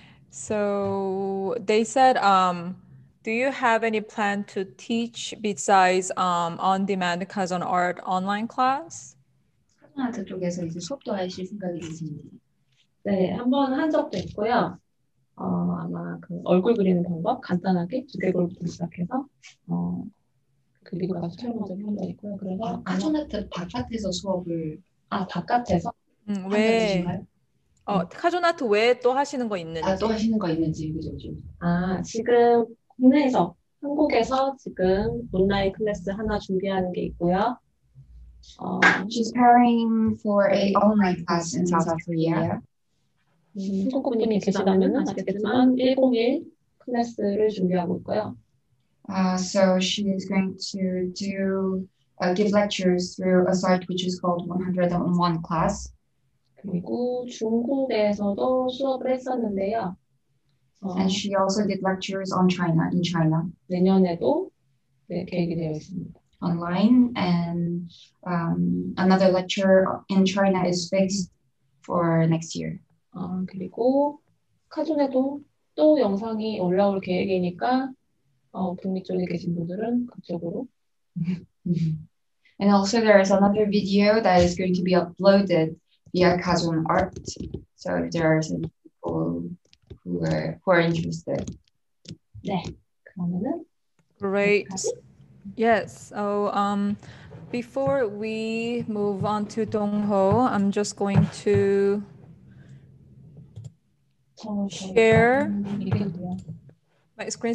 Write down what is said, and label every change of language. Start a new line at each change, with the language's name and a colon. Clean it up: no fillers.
English: So they said, do you have any plan to teach besides on-demand Kazone art online class?
Korean: 카즈노아트 쪽에서 이제 수업도 하실 생각이 있으신지. 네, 한번 한 적도 있고요. 아마 그 얼굴 그리는 방법 간단하게 주제골부터 시작해서 그리고 나서 설명도 한 적 있고요. 그래서 카즈노아트 바깥에서 수업을 바깥에서 왜? 카즈노아트 외에 또 하시는 거 있는지. 또 하시는 거 있는지 그죠? 지금 국내에서 한국에서 지금 온라인 클래스 하나 준비하는 게 있고요.
English: She's preparing for a online class in South Korea.
Korean: 한국 분이 계시다면 아시겠지만 101 클래스를 준비하고 있고요.
English: So she is going to do give lectures through a site which is called 101 class.
Korean: 그리고 중국에서도 수업을 했었는데요.
English: And she also did lectures on China in China.
Korean: 내년에도 네, 계획이 되어 있습니다.
English: Online and another lecture in China is fixed for next year.
Korean: 그리고 카존에도 또 영상이 올라올 계획이니까 북미 쪽에 계신 분들은 그쪽으로.
English: And also there is another video that is going to be uploaded via Kazone Art. So if there are some people who are interested.
Korean: 네, 그러면은.
English: Great. Yes. So, before we move on to Dongho, I'm just going to share my screen.